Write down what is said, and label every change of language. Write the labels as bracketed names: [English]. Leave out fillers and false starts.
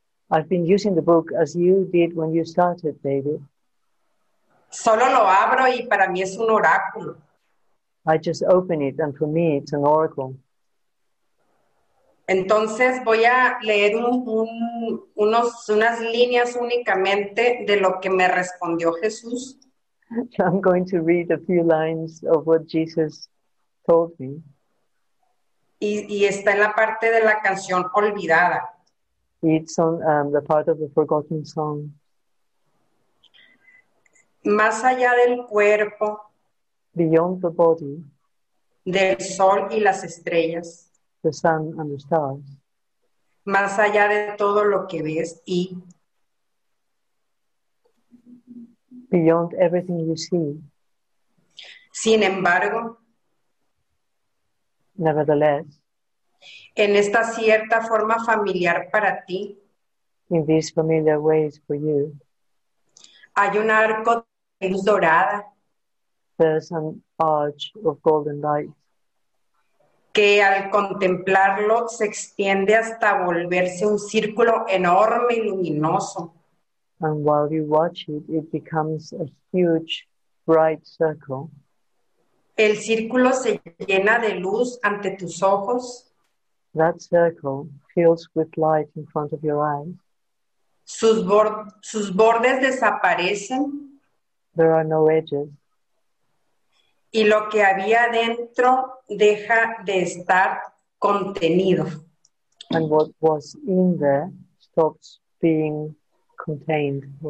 [English] I've been using the book as you did when you started, David. [Spanish] Solo lo abro y para mí es un oráculo. [English] I just open it and for me it's an oracle. [Spanish] Entonces voy a leer unas líneas únicamente de lo que me respondió Jesús. [English] I'm going to read a few lines of what Jesus told me. [Spanish] Y está en la parte de la canción Olvidada. [English] It's on the part of the forgotten song. [Spanish] Más allá del cuerpo. [English] Beyond the body. [Spanish] Del sol y las estrellas. [English] The sun and the stars. [Spanish] Más allá de todo lo que ves y. [English] Beyond everything you see. [Spanish] Sin embargo. [English] Nevertheless. [Spanish] En esta cierta forma familiar para ti. [English] In these familiar ways for you. [Spanish] Hay un arco de luz dorada. [English] There's an arch of golden light. [Spanish] Que al contemplarlo se extiende hasta volverse un círculo enorme y luminoso. [English] And while you watch it, it becomes a huge, bright circle. [Spanish] El círculo se llena de luz ante tus ojos. [English] That circle fills with light in front of your eyes. [Spanish] Sus bordes desaparecen. [English] There are no edges. [Spanish] Y lo que había dentro deja de estar contenido. [English] And what was in there stops being contained.